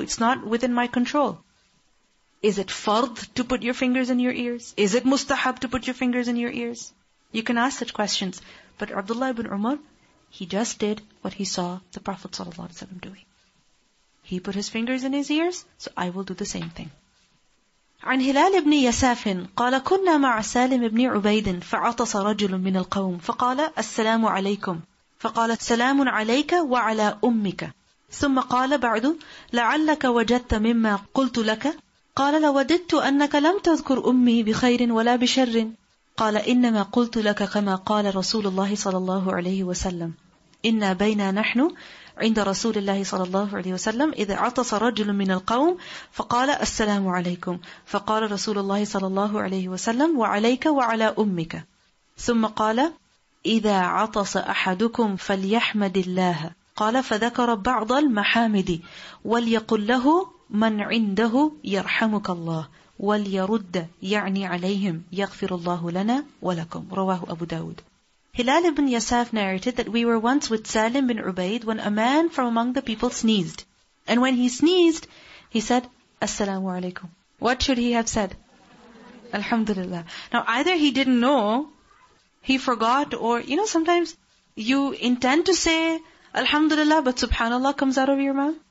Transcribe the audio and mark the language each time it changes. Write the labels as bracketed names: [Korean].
[English] It's not within my control. Is it fard to put your fingers in your ears? Is it mustahab to put your fingers in your ears? You can ask such questions. But Abdullah ibn Umar, he just did what he saw the Prophet ﷺ doing. He put his fingers in his ears, so I will do the same thing. [Arabic] عن هلال بن يساف قال كنا مع سالم بن عبيد فعطس رجل من القوم فقال السلام عليكم فقال السلام عليك وعلى أمك ثم قال بعد لعلك وجدت مما قلت لك قال لوددت أنك لم تذكر أمي بخير ولا بشر قال إنما قلت لك كما قال رسول الله صلى الله عليه وسلم إنا بينا نحن عند رسول الله صلى الله عليه وسلم إذا عطس رجل من القوم فقال السلام عليكم فقال رسول الله صلى الله عليه وسلم وعليك وعلى أمك ثم قال إذا عطس أحدكم فليحمد الله قال فذكر بعض المحامد وليقل له من عنده يرحمك الله وليرد يعني عليهم يغفر الله لنا ولكم رواه أبو داود. [English] Hilal ibn Yasaf narrated that we were once with Salim bin Ubaid when a man from among the people sneezed. And when he sneezed, he said, Assalamu alaikum. What should he have said? Alhamdulillah. Now either he didn't know, he forgot, or you know sometimes you intend to say Alhamdulillah, but Subhanallah comes out of your mouth.